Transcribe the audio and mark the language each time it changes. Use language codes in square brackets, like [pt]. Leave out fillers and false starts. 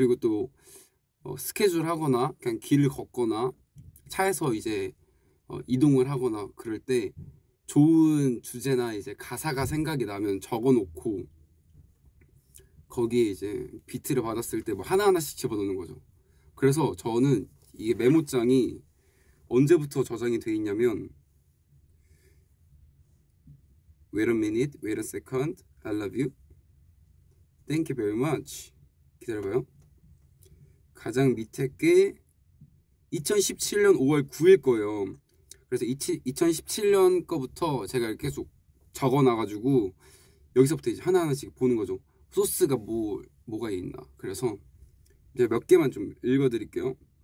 [ko] 그리고 또 스케줄 하거나 그냥 길을 걷거나 차에서 이제 이동을 하거나 그럴 때 좋은 주제나 이제 가사가 생각이 나면 적어놓고 거기에 이제 비트를 받았을 때뭐 하나하나씩 집어넣는 거죠. 그래서 저는 이게 메모장이 언제부터 저장이 돼 있냐면 [en] Wait a minute, wait a second, I love you, thank you very much. [ko] 기다려봐요. 가장 밑에 게 2017년 5월 9일 거예요. 그래서 2017년 거부터 제가 계속 적어놔가지고 여기서부터 이제 하나하나씩 보는 거죠. 소스가 뭐가 있나. 그래서 이제 몇 개만 좀 읽어드릴게요.